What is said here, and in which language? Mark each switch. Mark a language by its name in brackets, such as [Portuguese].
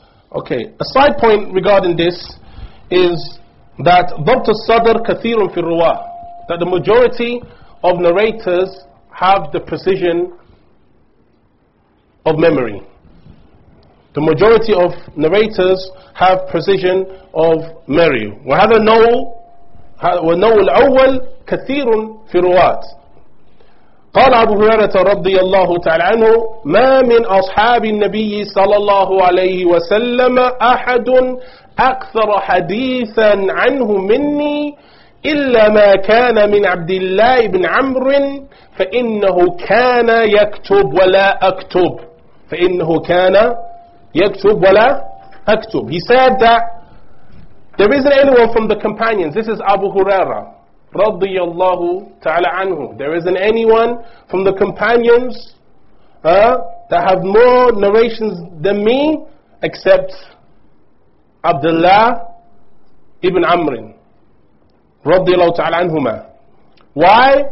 [English] Okay, a side point regarding this is that dabt al-sadr [Arabic] kathirun fi ruwa, [English] that the majority of narrators have the precision of memory. The majority of narrators have precision of memory. [Arabic] وهذا النوع الأول كثير في الرواة. قال أبو هريرة رضي الله تعالى عنه ما من أصحاب النبي صلى الله عليه وسلم أحد أكثر حديثا عنه مني إلا ما كان من عبد الله بن عمرو فإنه كان يكتب ولا أكتب فإنه كان يكتب ولا أكتب. [English] He said that there isn't anyone from the companions. This is Abu Huraira [Arabic] رضي الله تعالى عنه. [English] There isn't anyone from the companions that have more narrations than me, except Abdullah ibn Amr radiallahu ta'ala anhuma. Why?